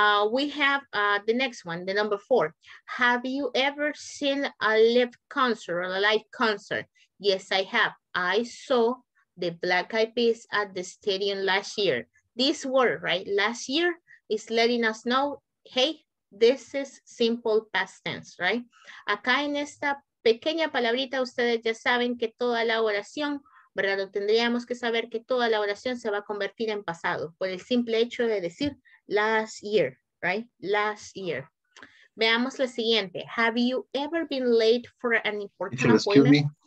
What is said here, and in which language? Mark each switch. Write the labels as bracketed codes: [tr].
[en] We have the next one, the number four. Have you ever seen a live concert or a live concert? Yes, I have. I saw the Black Eyed Peas at the stadium last year. This word, right? Last year is letting us know, hey, this is simple past tense, right? [es] Acá en esta pequeña palabrita, ustedes ya saben que toda la oración, ¿verdad? Tendríamos que saber que toda la oración se va a convertir en pasado por el simple hecho de decir [en] last year, right? Last year. [es] Veamos la siguiente. [en] Have you ever been late for an important appointment?